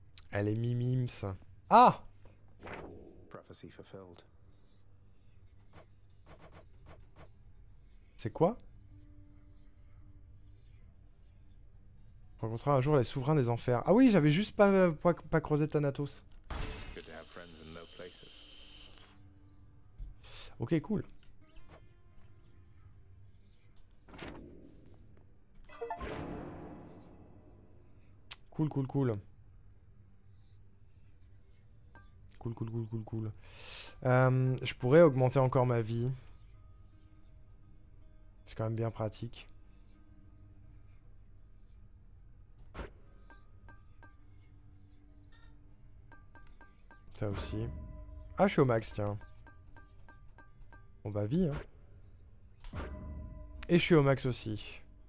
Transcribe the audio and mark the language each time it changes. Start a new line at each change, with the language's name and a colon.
French: Elle est mimims. Ah!
English: Prophecy fulfilled.
French: C'est quoi? On rencontrera un jour les souverains des enfers. Ah oui, j'avais juste pas creusé Thanatos.
English: Good to have friends in low places. Ok, cool. Cool, cool, cool. Cool, cool, cool, cool, cool.
French: Je pourrais augmenter encore ma vie. C'est quand même bien pratique. Ça aussi. Ah, je suis au max, tiens. Bon, bah, vie, hein. Et je suis au max aussi.